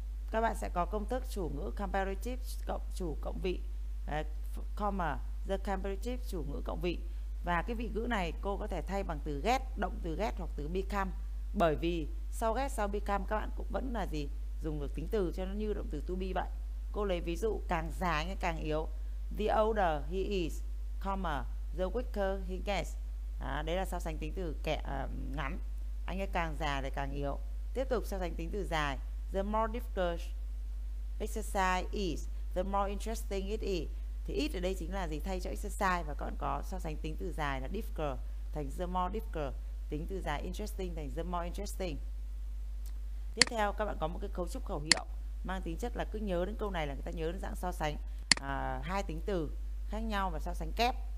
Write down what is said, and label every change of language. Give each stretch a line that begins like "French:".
Vietnamese: Các bạn sẽ có công thức chủ ngữ comparative cộng chủ cộng vị, comma, the comparative chủ ngữ cộng vị. Và cái vị ngữ này cô có thể thay bằng từ get, động từ get hoặc từ become. Bởi vì sau get sau become các bạn cũng vẫn là gì? Dùng được tính từ cho nó như động từ to be vậy. Cô lấy ví dụ càng già anh ấy càng yếu.
English: The older he is, comma, the weaker he gets.
Vietnamese: À, đấy là so sánh tính từ ngắn. Anh ấy càng già thì càng yếu. Tiếp tục so sánh tính từ dài.
English: The more difficult exercise is, the more interesting it is.
Vietnamese: Thì it ở đây chính là gì? Thay cho exercise, và còn có so sánh tính từ dài là difficult thành
English: the more difficult.
Vietnamese: Tính từ dài interesting thành
English: the more interesting.
Vietnamese: Tiếp theo các bạn có một cái cấu trúc khẩu hiệu mang tính chất là cứ nhớ đến câu này là người ta nhớ đến dạng so sánh hai tính từ khác nhau và so sánh kép.